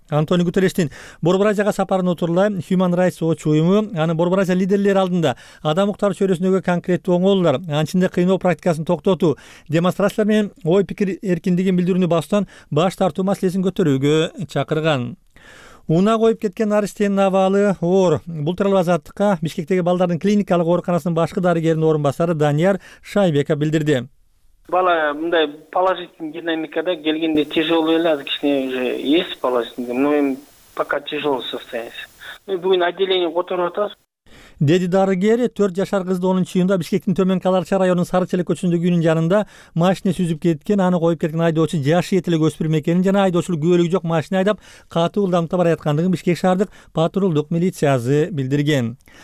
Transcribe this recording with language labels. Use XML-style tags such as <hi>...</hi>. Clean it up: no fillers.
<ky>Антонио Гутерештин Борбор Азияга сапарына отурула Human Rights Watch уюму анын Борбор Азия лидерлери алдында адам укуктары чөйрөсүндөгү конкреттүү оңолуулар, анын ичинде кыйноо практикасын токтотуу, демонстрациялар менен ой пикир эркиндигин билдирүүнү бастан баш тартуу маселесин көтөрүүгө чакырган. Уна коюп кеткен наристенин абалы оор. Бул тууралуу Азаттыкка Бишкектеги балдардын клиникалык ооруканасынын башкы дарыгеринин орун басары Данияр Шайбека билдирди. Бала мындай</ky> <ru>положительный динамикада</ru> <ky>келгенде</ky> <ru>тяжелый</ru> <ky>эле, азыр кичине</ky> <ru>уже есть положительный, но</ru> <ky>эми</ky> <ru>пока тяжелый состояние.</ru> <ky>Ну бүгүн отделение которуп атабыз. Деди дарыгер 4 жашар кызды 10-нчу июнда Бишкектин Төмөнкү Алакча районунун Сары Челек көчөсүндөгү үйүнүн жанында машине сүзүп кеткен, аны коюп кеткен айдоочу жашы жете элек өспүрүм экенин жана айдоочулук күбөлүгү жок машине айдап катуу ылдамдыкта бара жаткандыгын Бишкек шаардык патрулдук милициясы билдирген.</ky>